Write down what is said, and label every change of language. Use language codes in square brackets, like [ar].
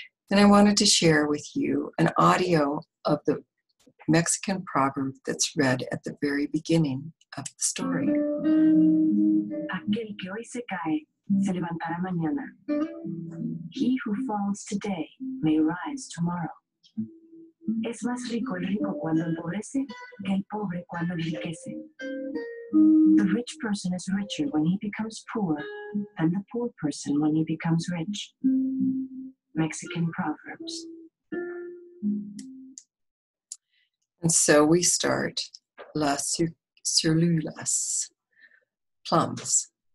[en] And I wanted to share with you an audio of the Mexican proverb that's read at the very beginning of the story. [es] Aquel que hoy se cae, se levantará mañana. [en] He who falls today may rise tomorrow. [es] Es más rico el rico cuando empobrece que el pobre cuando enriquece. [en] The rich person is richer when he becomes poor than the poor person when he becomes rich. Mexican Proverbs. And so we start Las Ciruelas, Plums.